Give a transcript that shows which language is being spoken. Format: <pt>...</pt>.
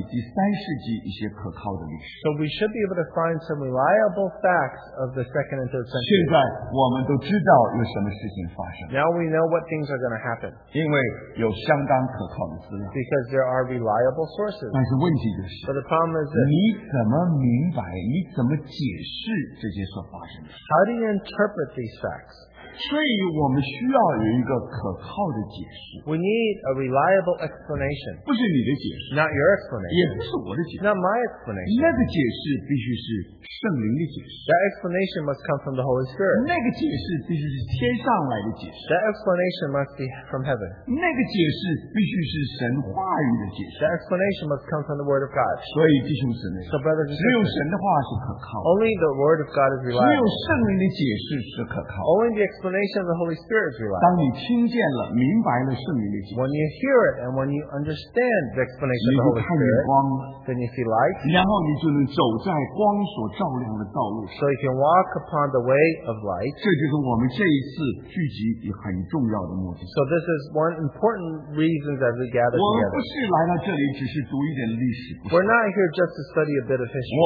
<zh>我们可以找到第二世纪、第三世纪一些可靠的历史。</zh> <en>So we should be able to find some reliable facts of the second and third century.</en> <zh>现在我们都知道有什么事情发生。</zh> <en>Now we know what things are going to happen.</en> <zh>因为有相当可靠的资料。</zh> <en>Because there are reliable sources.</en> <zh>但是问题就是，</zh> <en>But the problem is this.</en> <zh>你怎么明白，你怎么解释这些所发生的？</zh> <en>How do you interpret these facts?</en> <zh>所以我们需要有一个可靠的解释。</zh> <en>We need a reliable explanation.</en> <zh>不是你的解释。</zh> <en>Not your explanation.</en> <zh>也不是我的解释。</zh> <en>Not my explanation.</en> <zh>那个解释必须是圣灵的解释。</zh> <en>That explanation must come from the Holy Spirit.</en> <zh>那个解释必须是天上来的解释。</zh> <en>That explanation must be from heaven.</en> <zh>那个解释必须是神话语的解释。</zh> <en>That explanation must come from the Word of God.</en> <zh>所以弟兄姊妹，</zh> <en>So brothers and sisters,</en> <zh>只有神的话是可靠的。</zh> <en>Only the Word of God is reliable.</en> <zh>只有圣灵的解释是可靠的。</zh> <en>Only the explanation of the Holy Spirit is reliable. When you hear it and when you understand the explanation of the Holy Spirit, then you see light.</en> <zh>然后你就能走在光所照亮的道路上。</zh> <en>So you can walk upon the way of light.</en> <zh>这就是我们这一次聚集很重要的目的。</zh> <en>So this is one important reason that we gather together. We're not here just to study a bit of history.</en>